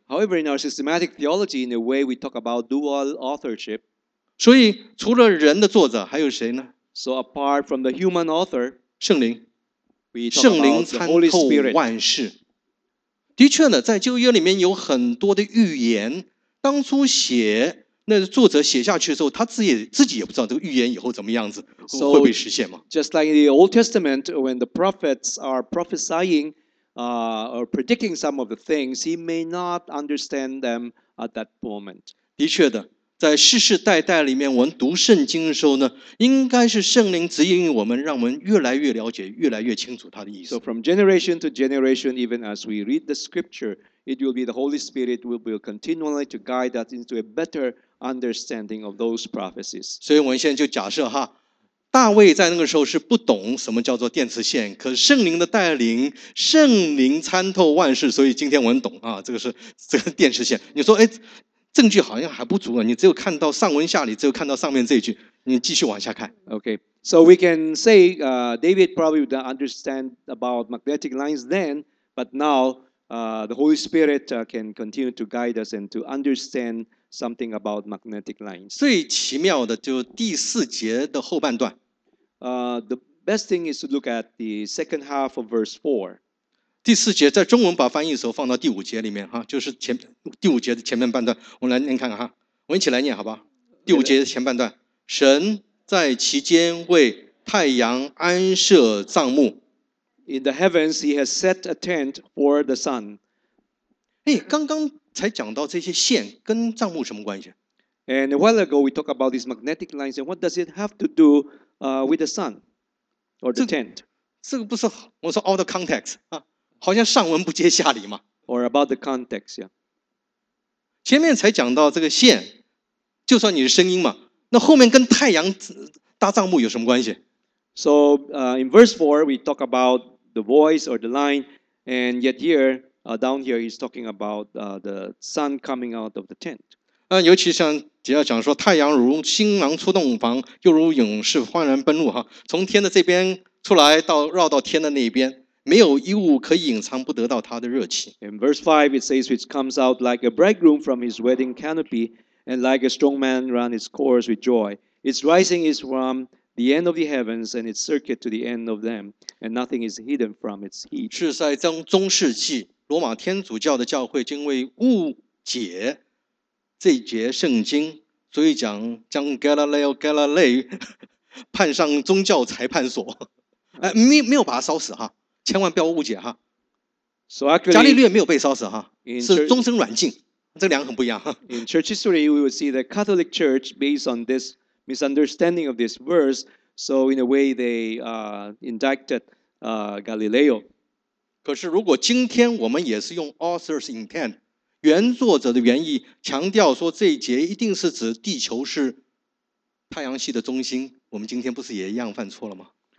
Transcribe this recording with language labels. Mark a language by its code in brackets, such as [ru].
[en] However, in our systematic theology, in a way, we talk about dual authorship. [zh] 所以除了人的作者，还有谁呢？ [en] So apart from the human author, [zh] 圣灵， [en] we talk about the Holy Spirit. [zh] 圣灵参透万事。的确呢，在旧约里面有很多的预言，当初写。那作者写下去的时候，他自己也不知道这个预言以后怎么样子， [en] so, [zh] 会不会实现吗 [en] ？Just like in the Old Testament, when the prophets are prophesying, or predicting some of the things, he may not understand them at that moment. [zh] 的确的，在世世代代里面，我们读圣经的时候呢，应该是圣灵指引我们，让我们越来越了解，越来越清楚他的意思。 [en] So from generation to generation, even as we read the scripture. It will be the Holy Spirit will be continually to guide us into a better understanding of those prophecies. [zh] 所以我们现在就假设哈，大卫在那个时候是不懂什么叫做电磁线，可圣灵的带领，圣灵参透万事，所以今天我们懂啊，这个是电磁线。你说，哎，证据好像还不足啊，你只有看到上文下理，只有看到上面这一句，你继续往下看。 [en] Okay, so we can say, David probably would understand about magnetic lines then, but now. The Holy Spirit can continue to guide us and to understand something about magnetic lines. [zh] 最奇妙的就第四节的后半段。 [en] The best thing is to look at the second half of verse 4. [zh] 第四节在中文把翻译的时候放到第五节里面，就是第五节的前面半段。我们来念看看，我们一起来念好吧。第五节的前半段，神在其间为太阳安设帐幕。 [en] In the heavens, he has set a tent for the sun. [zh] 哎，刚刚才讲到这些线跟帐幕什么关系 [en] ？And a while ago, we talked about these magnetic lines, and what does it have to do, with the sun or the tent? [zh] 这个不是我说 [en] out of context [zh] 啊，好像上文不接下理嘛。 [en] Or about the context, yeah. [zh] 前面才讲到这个线，就算你是声音嘛，那后面跟太阳搭帐幕有什么关系？ [en] So, in verse 4, we talk about the voice or the line, and yet here, down here, he's talking about the sun coming out of the tent. [zh] 尤其像底下讲说，太阳如新郎出洞房，又如勇士欢然奔入哈，从天的这边出来到绕到天的那边，没有衣物可以隐藏，不得到他的热气。 [en] In verse 5, it says, which comes out like a bridegroom from his wedding canopy, and like a strong man run his course with joy. Its rising is from... The end of the heavens and its circuit to the end of them, and nothing is hidden from its heat. [zh] 是在中世纪，罗马天主教的教会因为误解这节圣经，所以将 Galileo Galilei 判上宗教裁判所。没有把他烧死哈，千万不要误解哈。 [en] So actually, [zh] 伽利略没有被烧死哈，是终身软禁，这两个很不一样。 [en] In church history, we will see the Catholic Church based on this. Misunderstanding of this verse, so in a way they indicted Galileo. [zh] 可是如果今天我们也是用 author's intent, 原作者的原意，强调说这一节一定是指地球是太阳系的中心，我们今天不是也一样犯错了吗？